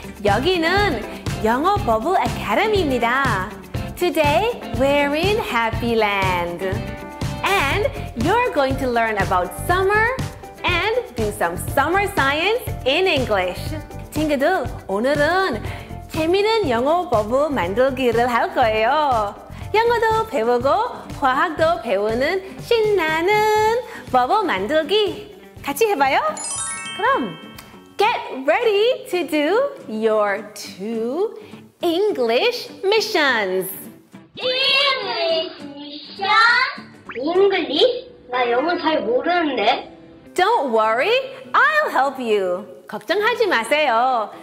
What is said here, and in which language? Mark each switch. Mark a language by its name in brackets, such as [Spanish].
[Korean] 여기는 영어 버블 아카데미입니다. [English] Today, we're in Happy Land. And you're going to learn about summer and do some summer science in English. [Korean] 친구들, 오늘은 재미있는 영어 버블 만들기를 할 거예요. 영어도 배우고 과학도 배우는 신나는 버블 만들기 같이 해봐요. [English] 그럼 get ready to do your two English missions. English mission? [Korean] English? 나 영어 잘 모르는데. [English] Don't worry, I'll help you. [Korean] 걱정하지 마세요.